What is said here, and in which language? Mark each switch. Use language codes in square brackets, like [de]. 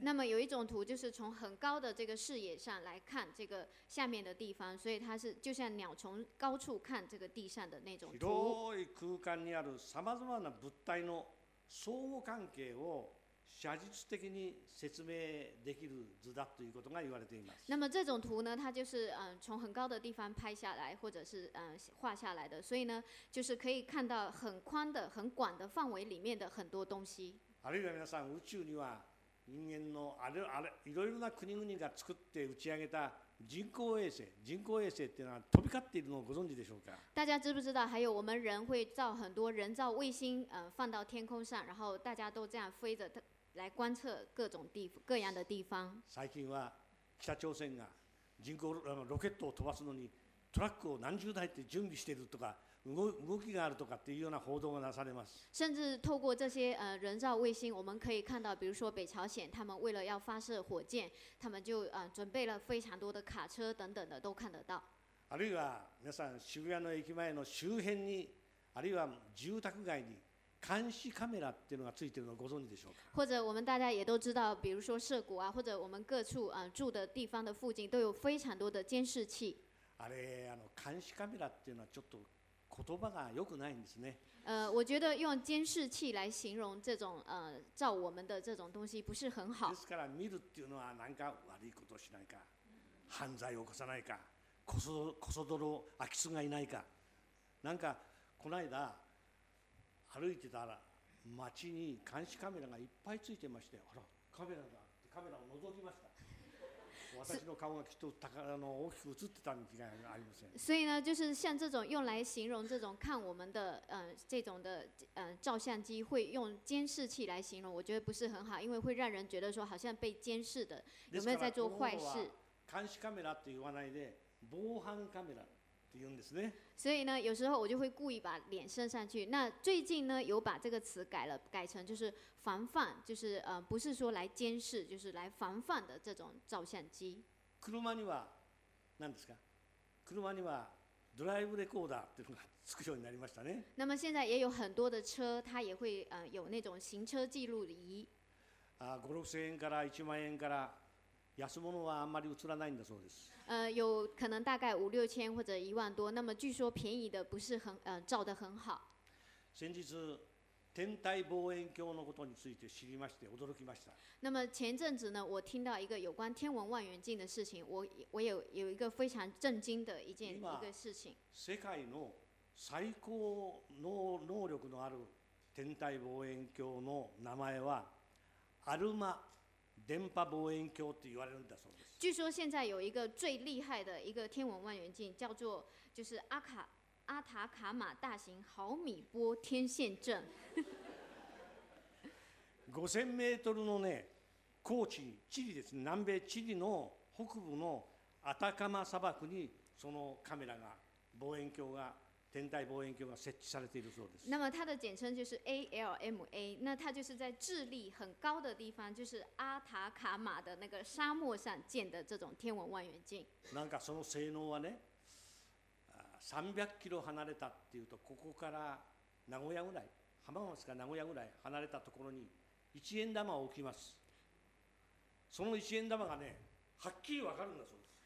[zh] 那么有一种图，就是从很高的这个视野上来看这个下面的地方，所以它是就像鸟从高处看这个地上的那种图。 [ja] 広い空間にあるさまざまな物体の相互関係を写実的に説明できる図だということが言われています。 [zh] 那么这种图呢，它就是从很高的地方拍下来，或者是画下来的，所以呢，就是可以看到很宽的、很广的范围里面的很多东西。 [ja] あるいは皆さん、宇宙には人間のいろいろな国々が作って打ち上げた人工衛星、人工衛星っていうのは飛び交っているのをご存知でしょうか。 [zh] 大家知不知道？还有我们人会造很多人造卫星，放到天空上，然后大家都这样飞着来观测各种地各样的地方。 [ja] 最近は北朝鮮が人工ロケットを飛ばすのにトラックを何十台って準備しているとか。動きがあるとかっていうような報道がなされます。 [zh] 甚至透过这些人造卫星，我们可以看到，比如说北朝鲜，他们为了要发射火箭，他们就准备了非常多的卡车等等的，都看得到。 [ja] あるいは皆さん渋谷の駅前の周辺に、あるいは住宅街に監視カメラっていうのがついているのをご存知でしょうか。 [zh] 或者我们大家也都知道，比如说涉谷啊，或者我们各处住的地方的附近都有非常多的监视器。 [ja] あれ監視カメラっていうのはちょっと。言葉が良くないんですね。 [zh] 我觉得用监视器来形容这种照我们的这种东西不是很好。 [ja] ですから見るっていうのは何か悪いことをしないか、犯罪を起こさないか、こそどろ空き巣がいないか。なんかこの間歩いてたら街に監視カメラがいっぱいついてまして、あらカメラだってカメラを覗きました。私の顔がきっと大きく映ってたみたいなのがありません。 [zh] 所以呢，就是像这种用来形容这种看我们的这种的照相机会用监视器来形容，我觉得不是很好，因为会让人觉得说好像被监视的，有没有在做坏事？ [ja] 監視カメラって言わないで防犯カメラって言うんですね。 [zh] 所以呢，有时候我就会故意把脸伸上去。那最近呢，有把这个词改了，改成就是防范，就是不是说来监视，就是来防范的这种照相机。 [ja] 車には何ですか？車にはドライブレコーダーっていうのがつくようになりましたね。 [zh] 那么现在也有很多的车，它也会有那种行车记录仪。 [ja] あ、五六千円から一万円から。安物はあんまり映らないんだそうです。 [zh] 有可能大概五六千或者一万多。那么据说便宜的不是很照得很好。 [ja] 先日天体望遠鏡のことについて知りまして驚きました。 [zh] 那么前阵子呢，我听到一个有关天文望远镜的事情，我有一个非常震惊的一个事情。 [ja] 世界の最高の能力のある天体望遠鏡の名前はアルマ。電波望遠鏡って言われるんだそうです。 [zh] 据说现在有一个最厉害的一个天文望远镜，叫做就是阿塔卡马大型毫米波天线阵。 [ja] 5000メートルのね、高地、チリです。南米チリの北部のアタカマ砂漠にそのカメラが望遠鏡が。天体望遠鏡が設置されているそうです。 [zh] 那么它的简称就是 ALMA， 那它就是在智利很高的地方，就是阿塔卡马的那个沙漠上建的这种天文望远镜。 [ja] なんかその性能はね、300キロ離れたっていうと、ここから名古屋ぐらい、浜松から名古屋ぐらい離れたところに一円玉を置きます。その一円玉がね、はっきりわかるんだそうです。